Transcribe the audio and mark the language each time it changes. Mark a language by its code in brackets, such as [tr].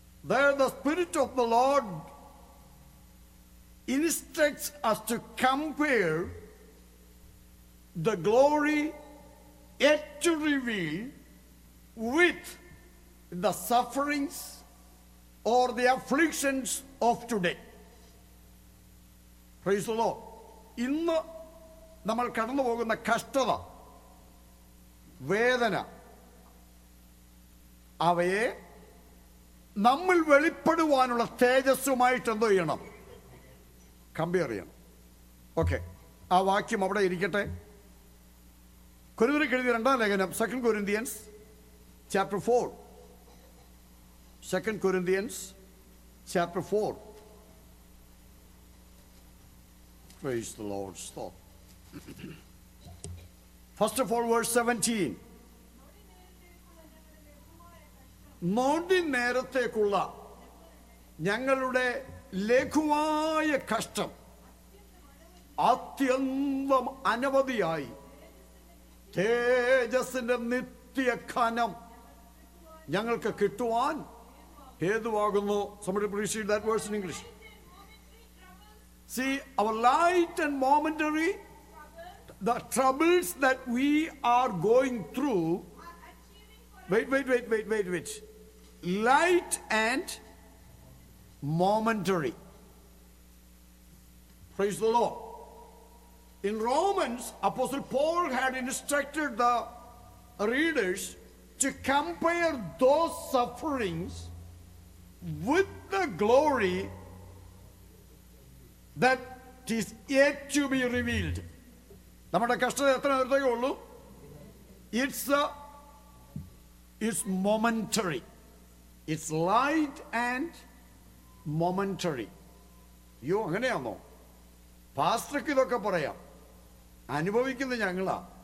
[en] There the Spirit of the Lord instructs us to compare the glory yet to reveal with the sufferings or the afflictions of today. Praise the Lord. [ml] ഇന്ന് നമ്മൾ കടന്നു പോകുന്ന കഷ്ടത, വേദന, അവയെ നമ്മൾ വെളിപ്പെടുവാനുള്ള തേജസ്സുമായിട്ട് എന്തോ ചെയ്യണം, കമ്പയർ ചെയ്യണം. ഓക്കെ, ആ വാക്യം അവിടെ ഇരിക്കട്ടെ. കൊരിന്ത്യർക്ക് എഴുതിയ രണ്ടാം ലേഖനം, second Corinthians chapter 4, [en] second Corinthians chapter 4. Praise the Lord. Stop. First of all, verse 17. [ml] മോണ്ടി നേരത്തേക്കുള്ള ഞങ്ങളുടെ ലഘുവായ കഷ്ടം അത്യന്തം അനവധിയായി തേജസ്സിന്റെ നിത്യ ഘനം ഞങ്ങൾക്ക് കിട്ടുവാൻ ഹേതുവാകുന്നു. [en] Somebody please read that verse in English. See, our light and momentary, the troubles that we are going through, wait. Light and momentary. Praise the Lord. In Romans, Apostle Paul had instructed the readers to compare those sufferings with the glory that is yet to be revealed. [ml] നമ്മുടെ കഷ്ടത എത്ര നേരത്തേക്കേ ഉള്ളൂ? [en] It's momentary. It's light and momentary. [ml] യോ, അങ്ങനെയാണോ? പാസ്റ്റർക്ക് ഇതൊക്കെ പറയാം, അനുഭവിക്കുന്ന ഞങ്ങളാ.